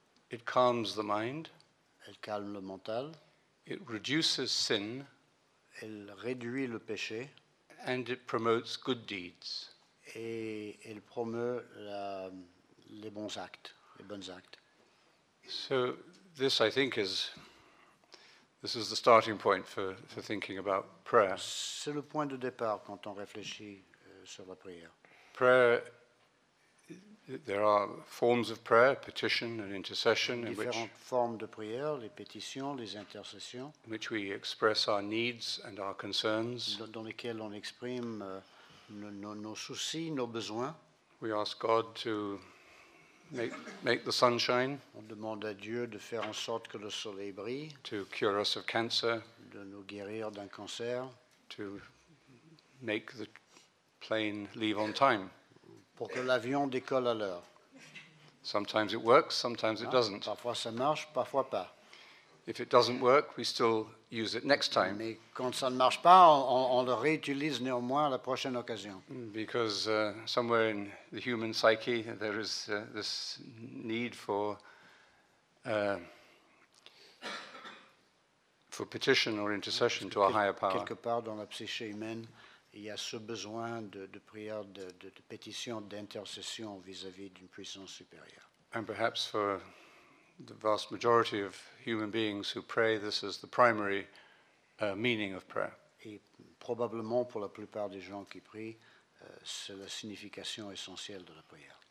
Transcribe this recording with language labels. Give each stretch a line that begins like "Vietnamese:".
English: It calms the mind.
French: Elle calme le mental.
English: It reduces sin.
French: Elle réduit le péché.
English: And it promotes good deeds.
French: Et elle promeut les bons actes, les bonnes actes.
English: So this, I think, is the starting point for thinking about prayer.
French: C'est le point de départ quand on réfléchit sur la prière.
English: Prayer. There are forms of prayer, petition and intercession, in which
French: différentes formes de prière, les pétitions, les intercessions,
English: in which we express our needs and our concerns.
French: Dans lesquelles on exprime nos soucis, nos besoins.
English: We ask God to make the sunshine.
French: On demande à Dieu de faire en sorte que le soleil brille.
English: To cure us of cancer.
French: De nous guérir d'un cancer.
English: To make the plane leave on time.
French: Pour que l'avion décolle à l'heure.
English: Sometimes it works, sometimes it doesn't.
French: Parfois ça marche, parfois pas.
English: If it doesn't work, we still use it next time.
French: Mais quand ça ne marche pas, on le réutilise néanmoins à la prochaine occasion.
English: Because somewhere in the human psyche, there is this need for petition or intercession to a higher power.
French: Quelque part dans la psyché humaine, il y a ce besoin de prière, de pétition, d'intercession vis-à-vis d'une puissance supérieure.
English: And perhaps for the vast majority of human beings who pray, this is the primary meaning of prayer.
French: Et probablement pour la plupart des gens qui prient, c'est la signification essentielle de la prière.